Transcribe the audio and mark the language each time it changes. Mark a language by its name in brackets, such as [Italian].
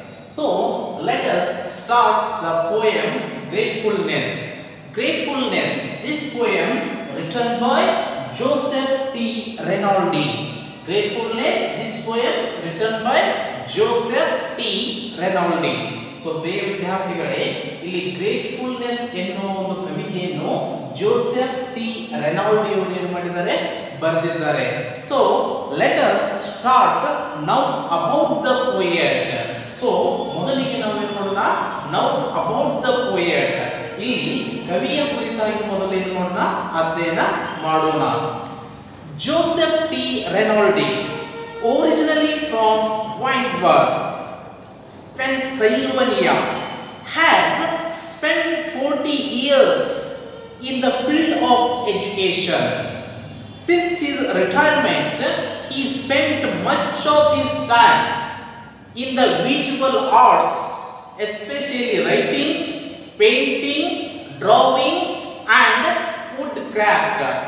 [English] So let us start the poem Gratefulness. Gratefulness, this poem written by Joseph T. Rinaldi. Gratefulness, this poem written by Joseph T. Rinaldi. [Kannada] So ಪ್ರಿಯ ವಿದ್ಯಾರ್ಥಿಗಳೇ, ಇಲ್ಲಿ gratefulness ಎನ್ನುವ ಒಂದು ಕವಿತೆಯನ್ನು Joseph T ರೆನಾಲ್ಡಿ ಅವರು ಏನು ಮಾಡಿದ್ದಾರೆ, ಬರೆದಿದ್ದಾರೆ. [English] So let us start now about the poet. [Kannada] So ಮೊದಲಿಗೆ ನಾವು ಏನು ಮಾಡೋಣ, ನೌ ಅಬೌಟ್ ದ ಪೋಯೆಟ್, ಇಲ್ಲಿ ಕವಿಯ ಕುರಿತಾಗಿ ಮೊದಲು ಏನು ಮಾಡೋಣ, ಅಧ್ಯಯನ ಮಾಡೋಣ. [English] Joseph T Renaldi, originally from Whiteburg Pennsylvania, has spent 40 years in the field of education. Since his retirement, he spent much of his time in the visual arts, especially writing, painting, drawing, and woodcraft.